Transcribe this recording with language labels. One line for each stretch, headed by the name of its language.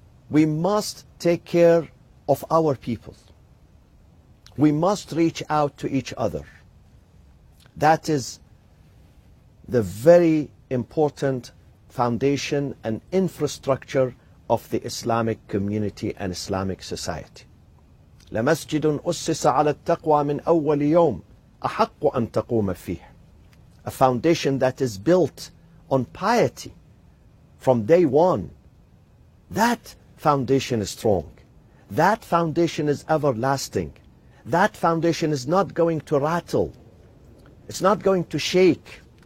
English: We must take care of our people. We must reach out to each other. That is the very important foundation and infrastructure of the Islamic community and Islamic society.
Arabic: لمسجد أسس على التقوى من أول يوم أحق أن تقوم فيه.
English: A foundation that is built on piety from day one. That foundation is strong. That foundation is everlasting. That foundation is not going to rattle. It's not going to shake.